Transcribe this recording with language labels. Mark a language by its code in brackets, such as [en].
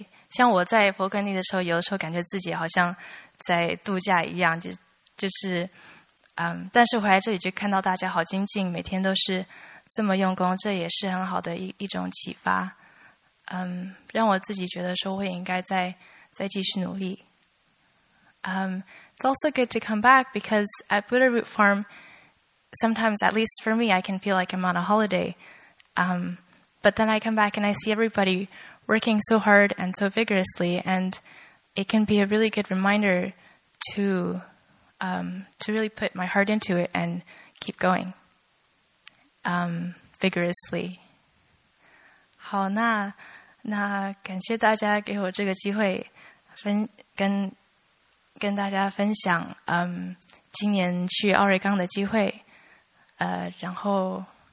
[zh] 像我在佛根地的时候，有的时候感觉自己好像在度假一样，就是但是回来这里就看到大家好精进，每天都是这么用功，这也是很好的一种启发，让我自己觉得说我应该再继续努力。 [en] It's also good to come back because at Buddha Root Farm, sometimes at least for me, I can feel like I'm on a holiday. But then I come back and I see everybody working so hard and so vigorously, and it can be a really good reminder to really put my heart into it and keep going vigorously. [zh] 好，那感谢大家给我这个机会跟大家分享今年去奥瑞冈的机会然后